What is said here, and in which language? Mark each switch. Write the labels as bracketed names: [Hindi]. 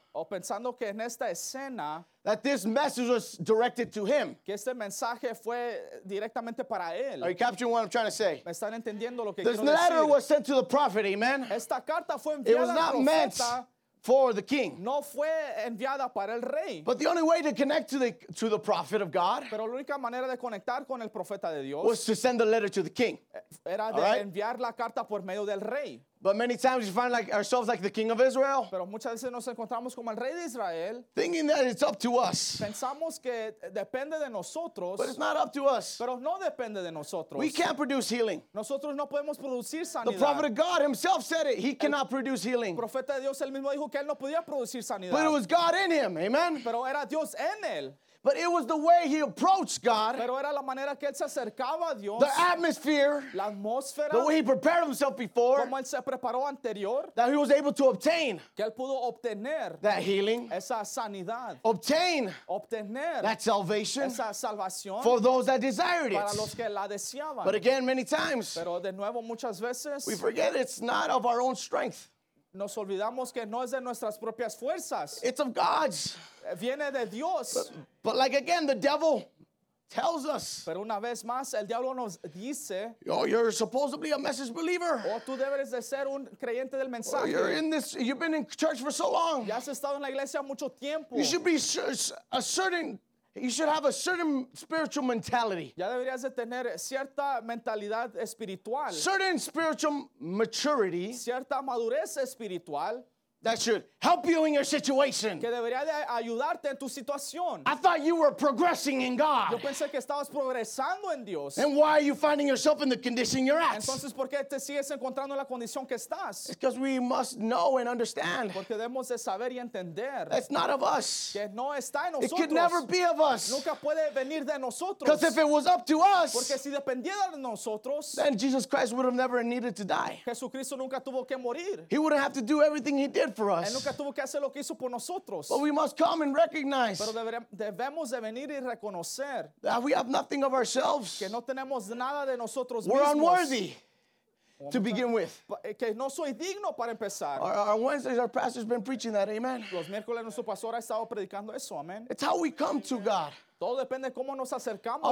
[Spanish] O pensando que en esta escena. [English] That this message was directed to him. [Spanish] Que este mensaje fue directamente para él. [English] Are you capturing what I'm trying to say? [Spanish] ¿Me están entendiendo lo que quiero decir? [English] This letter was sent to the prophet, amen. [Spanish] Esta carta fue enviada al profeta. [English] It was not meant for the king. [Spanish] No fue enviada para el rey. [English] But the only way to connect to the prophet of God. [Spanish] Pero la única manera de conectar con el profeta de Dios. [English] Was to send the letter to the king. [Spanish] Era de right? Enviar la carta por medio del rey. [English] But many times we find like ourselves like the king of Israel. [Spanish] Pero muchas veces nos encontramos como el rey de Israel. [English] Thinking that it's up to us. [Spanish] Pensamos que depende de nosotros. [English] But it's not up to us. [Spanish] Pero no depende de nosotros. [English] We can't produce healing. [Spanish] Nosotros no podemos producir sanidad. [English] The prophet of God himself said it. He cannot produce healing. [Spanish] El profeta de Dios él mismo dijo que él no podía producir sanidad. [English] But it was God in him. Amen. [Spanish] Pero era Dios en él. [English] But it was the way he approached God. [Spanish] Pero era la manera que él se acercaba a Dios. [English] The atmosphere. [Spanish] La atmósfera. [English] The way he prepared himself before. [Spanish] Como él se preparó anterior. [English] That he was able to obtain. [Spanish] Que él pudo obtener. [English] That healing. [Spanish] Esa sanidad. [English] Obtain. [Spanish] Obtener. [English] That salvation. [Spanish] Esa salvación. [English] For those that desired it. [Spanish] Para los que la deseaban. [English] But again, many times. [Spanish] Pero de nuevo, muchas veces. [English] We forget it's not of our own strength. [Spanish] Nos olvidamos que no es de nuestras propias fuerzas. [English] It's of God's. [Spanish] Viene de Dios. [English] But like again, the devil tells us. [Spanish] Pero una vez más, el diablo nos dice. [English] Oh, you're supposedly a message believer. [Spanish] O tú debes de ser un creyente del mensaje. [English] Oh, you're in this. You've been in church for so long. [Spanish] Ya has estado en la iglesia mucho tiempo. [English] You should be a certain. You should have a certain spiritual mentality. [Spanish] Ya deberías de tener cierta mentalidad espiritual. [English] Certain spiritual maturity. [Spanish] Cierta madurez espiritual. [English] that should help you in your situation. [Spanish] Que debería de ayudarte en tu situación. [English] I thought you were progressing in God. [Spanish] Yo pensé que estabas progresando en Dios. [English] And why are you finding yourself in the condition you're at? [Spanish] Entonces, ¿por qué te sigues encontrando en la condición que estás? [English] It's because we must know and understand. [Spanish] Porque debemos de saber y entender. [English] It's not of us. [Spanish] Que no está en nosotros. [English] It could never be of us. [Spanish] Nunca puede venir de nosotros. [English] Because if it was up to us, [Spanish] porque si dependiera de nosotros, [English] then Jesus Christ would have never needed to die. [Spanish] Jesucristo nunca tuvo que morir. [English] He wouldn't have to do everything he did for us. [Spanish] Nunca tuvo que hacer lo que hizo por nosotros. [English] But we must come and recognize. [Spanish] Pero debemos de venir y reconocer [English] that we have nothing of ourselves. [Spanish] Que no tenemos nada de nosotros mismos. [English] We're unworthy to begin with. [Spanish] Que no soy digno para empezar. [English] Our Wednesdays, our pastor's been preaching that, amen. [Spanish] Los miércoles nuestro pastor ha estado predicando eso, amen. [English] It's how we come to God. [Spanish] Todo depende cómo nos acercamos a